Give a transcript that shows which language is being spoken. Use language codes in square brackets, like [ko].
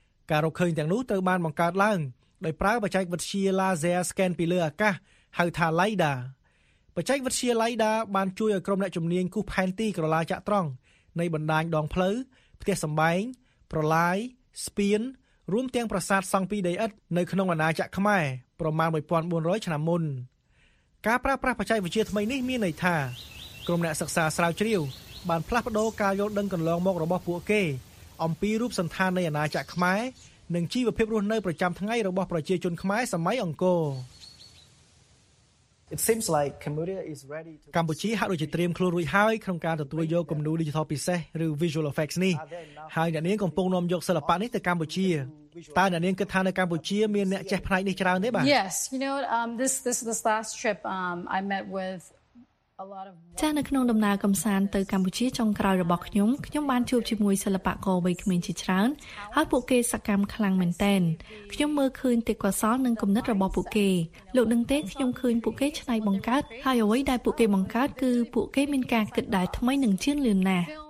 [km] ការរកឃើញទាំងនោះត្រូវបានបង្កើតឡើងដោយប្រើបច្ចេកវិទ្យា Laser Scan ពីលើអាកាសហៅថា LiDAR បច្ចេកវិទ្យា LiDAR បានជួយឲ្យក្រុមអ្នកជំនាញគូសផែនទីក្រឡាចក្រត្រង់នៃបណ្ដាញដងផ្លូវផ្ទះសំបែងប្រឡាយស្ពានរួមទាំងប្រាសាទសង់ពីដីឥដ្ឋនៅក្នុងអាណាចក្រខ្មែរប្រមាណ1400ឆ្នាំមុន ការប្រើប្រាស់បច្ចេកវិទ្យាថ្មីនេះមានន័យថាក្រុមអ្នកសិក្សាស្រាវជ្រាវបានផ្លាស់ប្ដូរការយល់ដឹងកន្លងមករបស់ពួកគេអំពីរូបសន្តាននៃអាណាចក្រខ្មែរនិងជីវភាពរស់នៅប្រចាំថ្ងៃរបស់ប្រជាជនខ្មែរសម័យអង្គរ [en] It seems like Cambodia is ready to [km] កម្ពុជាហាក់ដូចជាត្រៀមខ្លួនរួចហើយក្នុងការទទួលយកគំនូរ Digital ពិសេសឬ Visual Effects នេះហើយអ្នកនាងកំពុងនាំយកសិល្បៈនេះទៅកម្ពុជាតើអ្នកនាងគិតថានៅកម្ពុជាមានអ្នកចេះផ្នែកនេះច្រើនទេបាទ [en] Yes you know this last trip I met with [km] ចាននៅក្នុងដំណើរកំសាន្តទៅកម្ពុជាចុងក្រោយរបស់ខ្ញុំខ្ញុំបានជួបជាមួយសិល្បករវ័យក្មេងជាច្រើនហើយពួកគេសកម្មខ្លាំងមែនទែនខ្ញុំមើលឃើញទេពកោសល្យនិងគំនិតរបស់ពួកគេលោកនឹងទេខ្ញុំឃើញពួកគេច្នៃបង្កើតហើយអ្វីដែលពួកគេបង្កើតគឺពួកគេមានការគិតដែលថ្មីនិងជឿនលឿនណាស់